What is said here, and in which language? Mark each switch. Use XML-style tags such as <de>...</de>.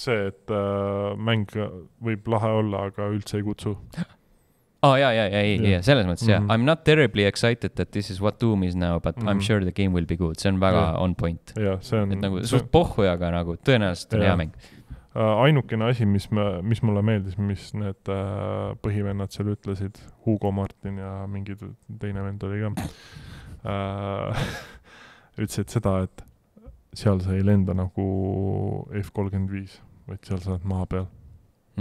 <et>see , et mäng võib lahe olla , aga üldse ei kutsu . aa , jaa , selles mõttes jaa .</et> <en>I m not terribly excited that this is what Doom is now , but I m sure the game will be good .</en> <et>see on väga</et> <en>on point .</en> <et>jah , see on . et nagu suht pohhu , aga nagu tõenäoliselt on hea mäng . Ainukene asi , mis mulle meeldis , mis need põhivennad seal ütlesid , Hugo Martin ja mingi teine vend oli ka ütlesid seda , et seal sa ei lenda nagu F-35 , vaid seal sa oled maa peal .</et>